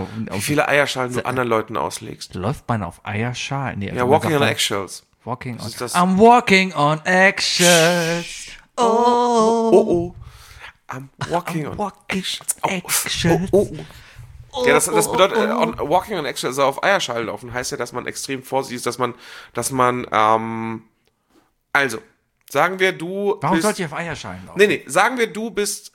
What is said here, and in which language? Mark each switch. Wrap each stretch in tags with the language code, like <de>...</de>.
<de>wie viele Eierschalen du anderen Leuten auslegst. Läuft man auf Eierschalen?</de> <en>Nee, ja, walking on eggshells. I'm walking on eggshells. Oh. I'm walking on eggshells.</en> <de>Ja, das bedeutet,</de> <en>walking on eggshells,</en> <de>also auf Eierschalen laufen, heißt ja, dass man extrem vorsichtig ist, sagen wir, du. Warum sollte ich auf Eierschalen laufen? Nee, sagen wir, du bist.</de>